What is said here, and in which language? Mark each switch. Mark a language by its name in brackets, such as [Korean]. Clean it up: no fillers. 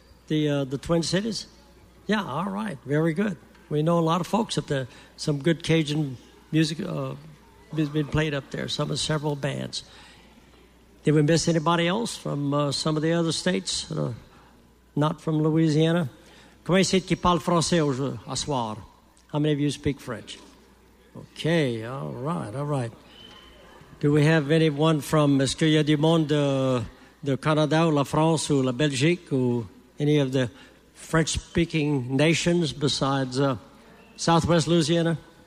[English] The Twin Cities? Yeah, all right. Very good. We know a lot of folks up there. Some good Cajun music has been played up there. Some of several bands. Did we miss anybody else from some of the other states? Not from Louisiana? [French] Comment est-ce qui parle français à soir? [English] How many of you speak French? Okay, all right, all right. Do we have anyone from, [French] est-ce qu'il y a du monde de Canada ou la France ou la Belgique ou [English] any of the French-speaking nations besides Southwest Louisiana?